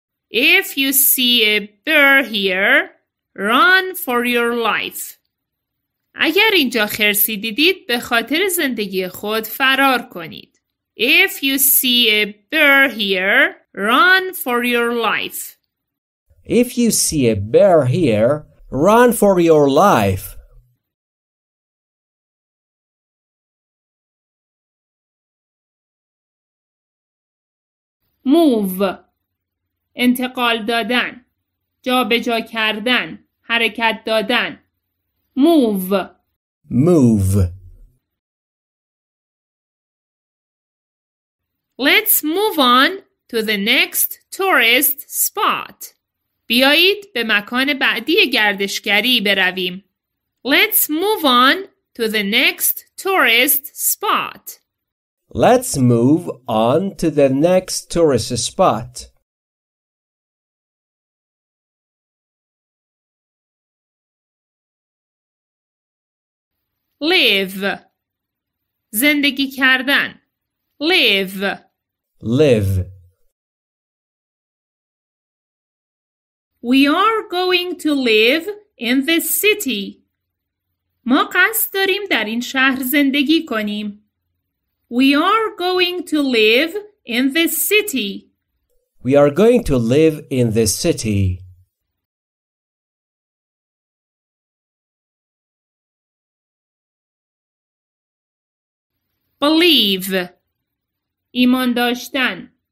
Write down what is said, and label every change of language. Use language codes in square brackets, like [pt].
[en] If you see a bear here, run for your life. [fa] اگر اینجا خرسی دیدید به خاطر زندگی خود فرار کنید. [en] If you see a bear here, run for your life. If you see a bear here, run for your life. [fa] Move. انتقال دادن. جابجا کردن. حرکت دادن. Move. [en] Move. Let's move on to the next tourist spot. [fa] بیایید به مکان بعدی گردشگری برویم. [en] Let's move on to the next tourist spot. Let's move on to the next tourist spot. [fa] Live. زندگی کردن. Live. [en] Live. We are going to live in this city. [fa] ما قصد داریم در این شهر زندگی کنیم. [en] We are going to live in this city. We are going to live in this city. [fa] Believe. ایمان داشتن.